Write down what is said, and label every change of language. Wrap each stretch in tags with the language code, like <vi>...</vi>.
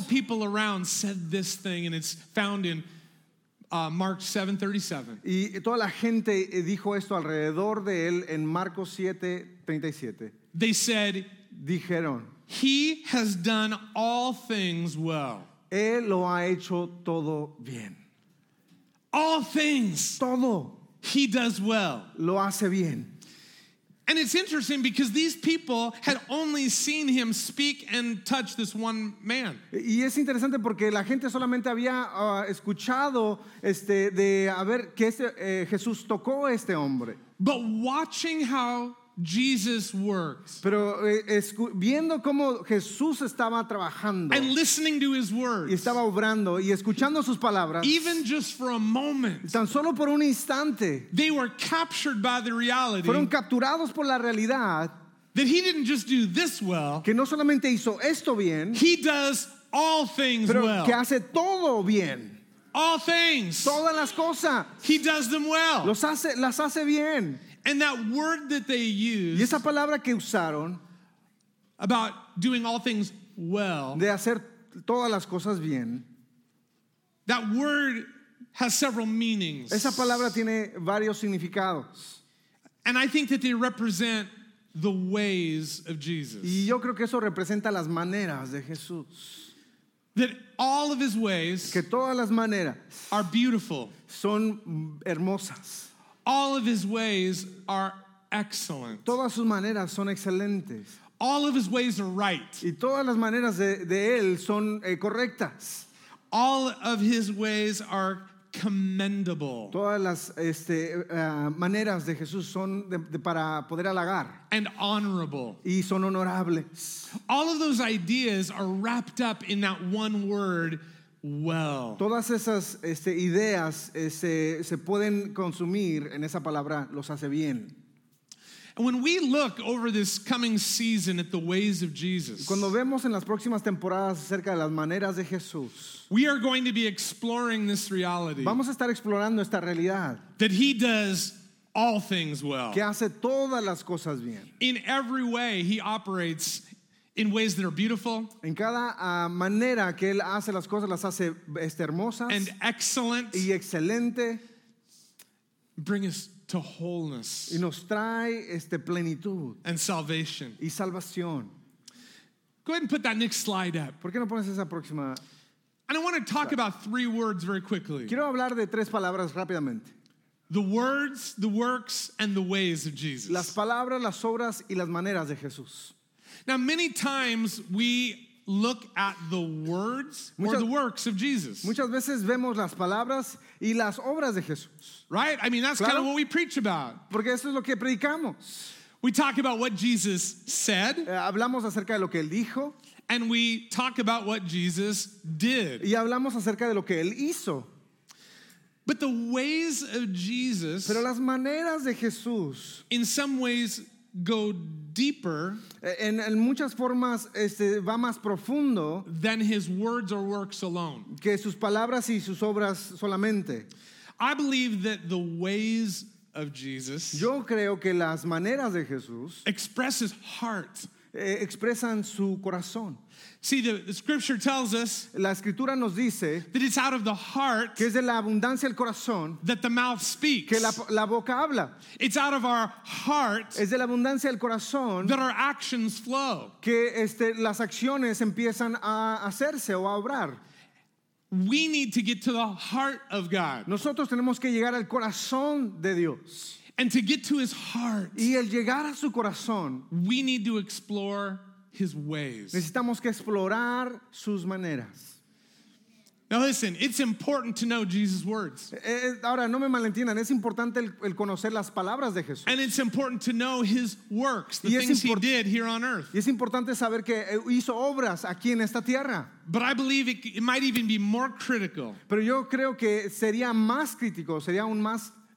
<en>the people around said this thing, and it's found in Mark 7:37.</en> <es>Y toda la gente dijo esto alrededor de él en Marcos 7:37.</es> <en>They said,</en> <es>dijeron,</es> <en>"He has done all things well."</en> <es>Él lo ha hecho todo bien.</es> <en>All things.</en> <es>Todo.</es> <en>He does well.</en> <es>Lo hace bien.</es> <en>And it's interesting because these people had only seen him speak and touch this one man.</en> <es>Y es interesante porque la gente solamente había escuchado de a ver que Jesús tocó este hombre.</es> <en>But watching how Jesus works.</en> <es>Pero viendo cómo Jesús estaba trabajando.</es> <en>And listening to his words.</en> <es>Y estaba obrando y escuchando sus palabras.</es> <en>Even just for a moment.</en> <es>Tan solo por un instante.</es> <en>They were captured by the reality.</en> <es>Fueron capturados por la realidad.</es> <en>That he didn't just do this well.</en> <es>Que no solamente hizo esto bien.</es> <en>He does all things</en> <es>pero</es> <en>well.</en> <es>Que hace todo bien.</es> <en>All things.</en> <es>Todas las cosas.</es> <en>He does them well.</en> <es>Las hace bien.</es> <en>And that word that they used,</en> <es>y esa palabra que usaron,</es> <en>about doing all things well,</en> <es>de hacer todas las cosas bien,</es> <en>that word has several meanings.</en> <es>Esa palabra tiene varios significados.</es> <en>And I think that they represent the ways of Jesus.</en> <es>Y yo creo que eso representa las maneras de Jesús.</es> <en>That all of his ways,</en> <es>que todas las maneras,</es> <en>are beautiful,</en> <es>son hermosas.</es> <en>All of his ways are excellent.</en> <es>Todas sus maneras son excelentes.</es> <en>All of his ways are right.</en> <es>Y todas las maneras de él son correctas.</es> <en>All of his ways are commendable.</en> <es>Todas las maneras de Jesús son de para poder halagar.</es> <en>And honorable.</en> <es>Y son honorables.</es> <en>All of those ideas are wrapped up in that one word. Well,</en> <es>todas esas ideas se pueden consumir en esa palabra los hace bien.</es> <en>And when we look over this coming season at the ways of Jesus,</en> <es>cuando vemos en las próximas temporadas acerca de las maneras de Jesús,</es> <en>we are going to be exploring this reality.</en> <es>Vamos a estar explorando esta realidad.</es> <en>That he does all things well.</en> <es>Que hace todas las cosas bien.</es> <en>In every way he operates. In ways that are beautiful.</en> <es>En cada manera que él hace las cosas, las hace hermosas.</es> <en>And excellent.</en> <es>Y excelente.</es> <en>Bring us to wholeness.</en> <es>Y nos trae plenitud.</es> <en>And salvation.</en> <es>Y salvación.</es> <en>Go ahead and put that next slide up.</en> <es>¿Por qué no pones esa próxima?</es> <en>And I want to talk about three words very quickly.</en> <es>Quiero hablar de tres palabras rápidamente.</es> <en>The words, the works, and the ways of Jesus.</en> <es>Las palabras, las obras, y las maneras de Jesús.</es> <en>Now many times we look at the words or the works of Jesus.</en> <es>Muchas veces vemos las palabras y las obras de Jesús.</es> <en>Right? I mean, that's</en> <es>claro.</es> <en>Kind of what we preach about.</en> <es>Porque eso es lo que predicamos.</es> <en>We talk about what Jesus said.</en> <es>Hablamos acerca de lo que él dijo.</es> <en>And we talk about what Jesus did.</en> <es>Y hablamos acerca de lo que él hizo.</es> <en>But the ways of Jesus,</en> <es>pero las maneras de Jesús,</es> <en>in some ways go deeper</en> <es>en muchas formas va más profundo</es> <en>than his words or works alone.</en> <es>Que sus palabras y sus obras solamente.</es> <en>I believe that the ways of Jesus,</en> <es>yo creo que las maneras de Jesús,</es> <en>express his heart.</en> <es>Expresan su corazón.</es> <en>See, the scripture tells us,</en> <es>la escritura nos dice,</es> <en>that it's out of the heart,</en> <es>que es de la abundancia del corazón,</es> <en>that the mouth speaks,</en> <es>que la boca habla.</es> <en>It's out of our heart,</en> <es>es de la abundancia del corazón,</es> <en>that our actions flow,</en> <es>que las acciones empiezan a hacerse o a obrar.</es> <en>We need to get to the heart of God.</en> <es>Nosotros tenemos que llegar al corazón de Dios.</es> <en>And to get to his heart,</en> <es>y al llegar a su corazón,</es> <en>we need to explore his ways.</en> <es>Necesitamos que explorar sus maneras.</es> <en>Now listen, it's important to know Jesus' words.</en> <es>Ahora, no me malentiendan, es importante el conocer las palabras de Jesús.</es> <en>And it's important to know his works, the things he did here on earth.</en> <es>Y es importante saber que hizo obras aquí en esta tierra.</es> <en>But I believe it might even be more critical.</en> <es>Pero yo creo que sería más crítico, sería aún más</es>